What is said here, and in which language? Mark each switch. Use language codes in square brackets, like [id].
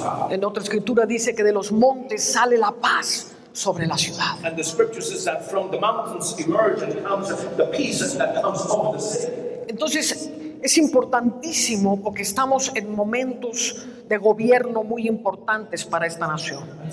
[es] En otra escritura dice que de los montes sale la paz sobre la ciudad. [en] And the scripture says that from the mountains emerge and comes the peace that comes over the city. [es] Entonces es importantísimo porque estamos en momentos de gobierno muy importantes para esta nación.